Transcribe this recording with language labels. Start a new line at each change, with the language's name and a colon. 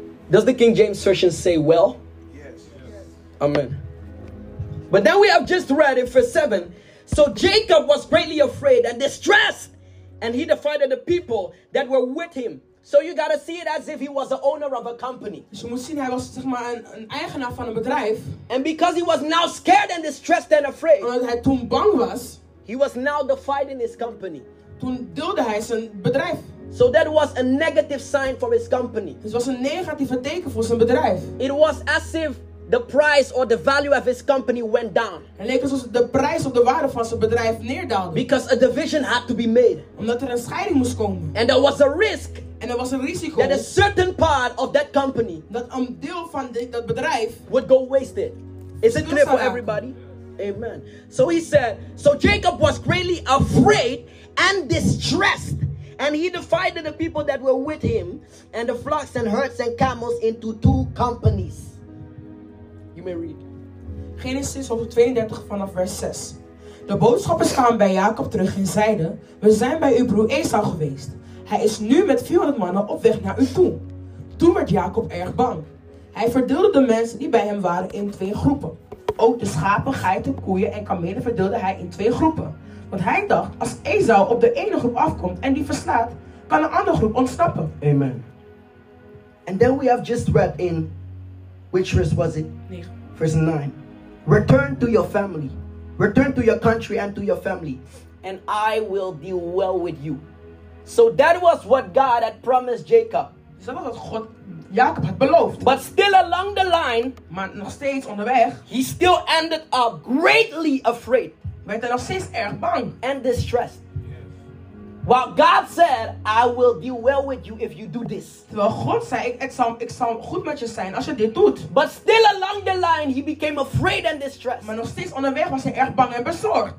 English: Does the King James Version say well? Yes. Amen. But then we have just read in verse 7. So Jacob was greatly afraid and distressed, and he divided the people that were with him. So you gotta see it as if he was the owner of a company.
Dutch: Dus je moet zien, hij was zeg maar een eigenaar van een bedrijf.
English: And because he was now scared and distressed and afraid.
Dutch: Omdat hij toen bang was.
English: He was now dividing his company.
Dutch: Toen deelde hij zijn bedrijf.
English: So that was a negative sign for his company.
Dutch: Dus was een negatieve teken voor zijn bedrijf.
English: It was as if the price or the value of his company went down.
Dutch: Het leek alsof de prijs of de waarde van zijn bedrijf neerdaalde.
English: Because a division had to be made.
Dutch: Omdat er een scheiding moest komen.
English: And there was a risk.
Dutch: En er was een risico
English: that a certain part of that company,
Dutch: dat een deel van dat bedrijf,
English: would go wasted. Is it clear for everybody? Amen. So he said, so Jacob was greatly afraid and distressed, and he divided the people that were with him, and the flocks and herds and camels, into two companies. You may read.
Dutch: Genesis 32 vanaf vers 6. De boodschappers kwamen bij Jacob terug en zeiden, we zijn bij uw broer Esau geweest. Hij is nu met 400 mannen op weg naar u toe. Toen werd Jacob erg bang. Hij verdeelde de mensen die bij hem waren in twee groepen. Ook de schapen, geiten, koeien en kamelen verdeelde hij in twee groepen. Want hij dacht, als Esau op de ene groep afkomt en die verslaat, kan de andere groep ontsnappen.
English: Amen. And then we have just read in, which verse was it? 9. Verse 9. Return to your family. Return to your country and to your family. And I will deal well with you. So that was what God had promised Jacob.
Dutch: Dat was wat God Jacob had beloofd.
English: But still along the line,
Dutch: maar nog steeds onderweg,
English: he still ended up greatly afraid.
Dutch: Werd hij nog steeds erg bang.
English: And distressed. Yes. While God said, I will deal well with you if you do this.
Dutch: Terwijl God zei, ik zal goed met je zijn als je dit doet.
English: But still along the line, he became afraid and distressed.
Dutch: Maar nog steeds onderweg was hij erg bang en bezorgd.